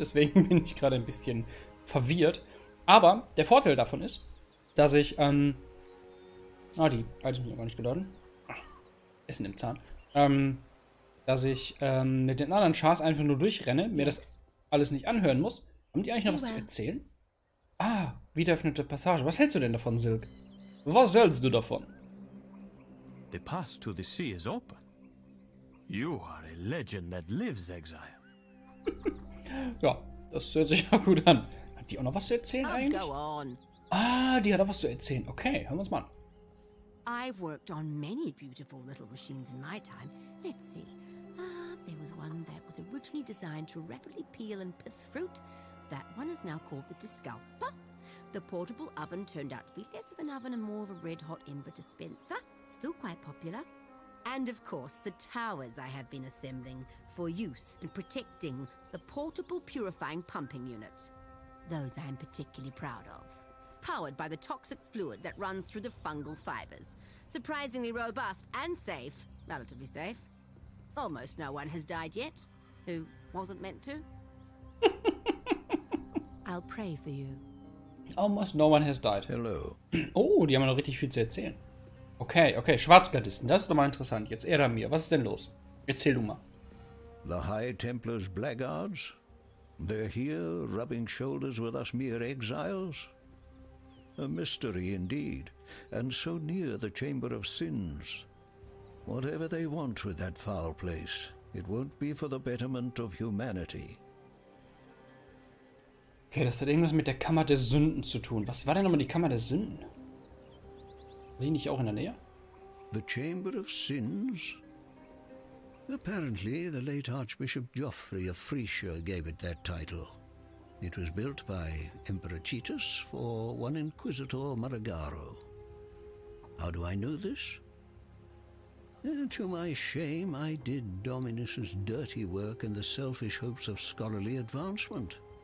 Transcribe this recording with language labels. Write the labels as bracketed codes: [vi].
[de] Deswegen bin ich gerade ein bisschen verwirrt. Aber der Vorteil davon ist, dass ich, die Items sind noch gar nicht geladen. Essen im Zahn. Dass ich mit den anderen Chars einfach nur durchrenne, mir das [en] Yes. [de] alles nicht anhören muss. Haben die eigentlich noch [en] Be [de] was zu [en] well. [de] erzählen? Ah, wiederöffnete Passage. Was hältst du denn davon, Silk? Was hältst du davon? [en] The path to the sea is open. You are a legend that lives, exile. [de] Ja, das hört sich auch gut an. Hat die auch noch was zu erzählen [en] And [de] eigentlich? [en] go on. [de] Ah, die hat auch was zu erzählen. Okay, hören wir uns mal an. [en] I've worked on many beautiful little machines in my time. Let's see. There was one that was originally designed to rapidly peel and pith fruit. That one is now called the Disculper. The portable oven turned out to be less of an oven and more of a red hot ember dispenser. Still quite popular. And of course, the towers I have been assembling for use in protecting the portable purifying pumping unit. Those I am particularly proud of. Powered by the toxic fluid that runs through the fungal fibers. Surprisingly robust and safe. Relatively safe. Almost no one has died yet, who wasn't meant to. I'll pray for you. Almost no one has died. Hello. [de] Oh, die haben noch richtig viel zu erzählen. Okay. Schwarzgardisten, das ist doch mal interessant. Jetzt Eramir, was ist denn los? Erzähl du mal. [en] The High Templar's Blackguards? They're here, rubbing shoulders with us mere exiles? A mystery indeed. And so near the Chamber of Sins. Whatever they want with that foul place, it won't be for the betterment of humanity. [de] Okay, das hat irgendwas mit der Kammer der Sünden zu tun. Was war denn nochmal die Kammer der Sünden? War die nicht auch in der Nähe? [en] The Chamber of Sins? Apparently, the late Archbishop Geoffrey of Frisia gave it that title. It was built by Emperor Titus for one Inquisitor Maragaro. How do I know this? To my shame, I did Dominus's dirty work in the selfish hopes of scholarly advancement.